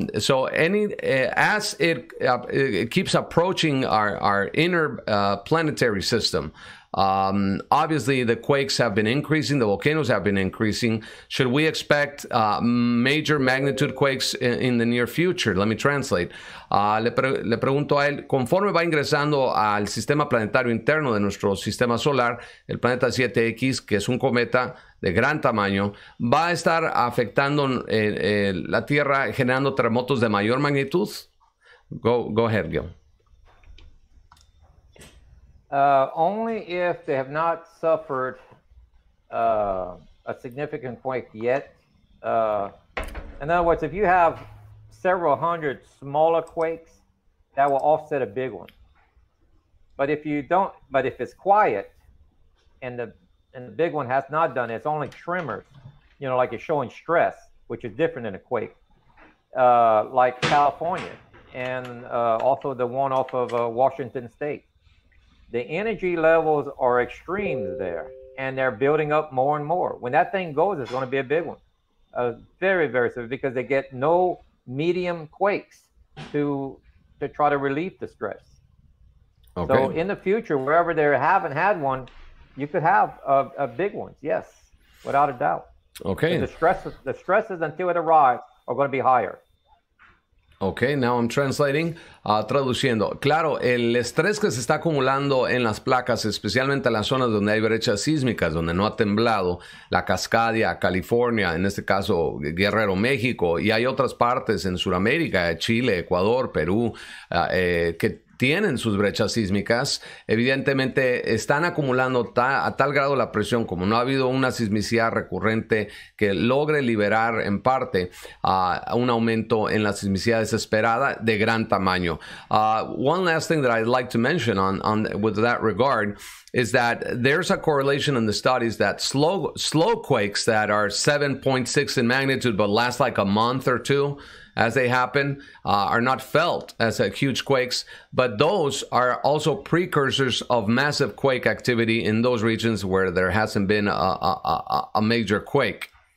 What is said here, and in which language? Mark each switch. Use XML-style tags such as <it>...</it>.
<en>As it keeps approaching our inner planetary system, obviously the quakes have been increasing, the volcanoes have been increasing. Should we expect major magnitude quakes in the near future? Let me translate.</en> <es>Le pregunto a él, conforme va ingresando al sistema planetario interno de nuestro sistema solar, el planeta 7X, que es un cometa de gran tamaño, ¿va a estar afectando la Tierra, generando terremotos de mayor magnitud?</es> <en>Go ahead, Gil. Only if they have not suffered a significant quake yet. In other words, if you have several hundred smaller quakes, that will offset a big one. But if you don't, but if it's quiet and the big one has not done it, it's only tremors, like it's showing stress, which is different than a quake, like California. and also the one off of Washington State. The energy levels are extreme there, and they're building up more and more. When that thing goes, it's going to be a big one, very, very severe, because they get no medium quakes to try to relieve the stress. Okay. So in the future, wherever they haven't had one, you could have a big one, yes, without a doubt. Okay. And the stresses until it arrives are going to be higher. Okay, now I'm translating,</en> <es>traduciendo. Claro, el estrés que se está acumulando en las placas, especialmente en las zonas donde hay brechas sísmicas, donde no ha temblado, la Cascadia, California, en este caso Guerrero, México, y hay otras partes en Sudamérica, Chile, Ecuador, Perú, que tienen sus brechas sísmicas, evidentemente están acumulando a tal grado la presión, como no ha habido una sismicidad recurrente que logre liberar en parte un aumento en la sismicidad desesperada de gran tamaño.</es> <en>One last thing that I'd like to mention on with that regard is that there's a correlation in the studies that slow quakes that are 7.6 in magnitude but last like a month or two as they happen, are not felt as huge quakes, but those are also precursors of massive quake activity in those regions where there hasn't been a major quake.</en>